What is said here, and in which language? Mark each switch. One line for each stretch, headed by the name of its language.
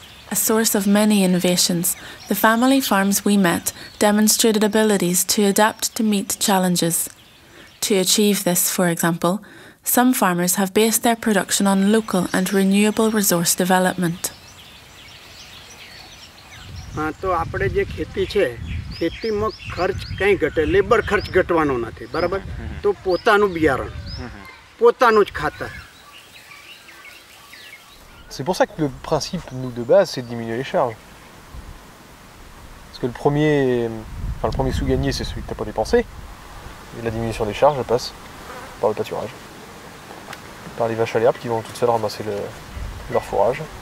English: A source of many innovations, the family farms we met demonstrated abilities to adapt to meet challenges. To achieve this, for example, some farmers have based their production on local and renewable resource development. So, our farming,
Gujarati: ખેતી માં ખર્ચ કઈ ઘટે labour ખર્ચ ઘટવાનો નથી બરાબર તો પોતાનું બિયારણ પોતાનું જ ખાતર
French: C'est pour ça que le principe nous de base c'est de diminuer les charges. Parce que le premier sous-gagné c'est celui que t'as pas dépensé. Et la diminution des charges passe par le pâturage. Par les vaches à l'herbe qui vont toutes seules ramasser leur fourrage.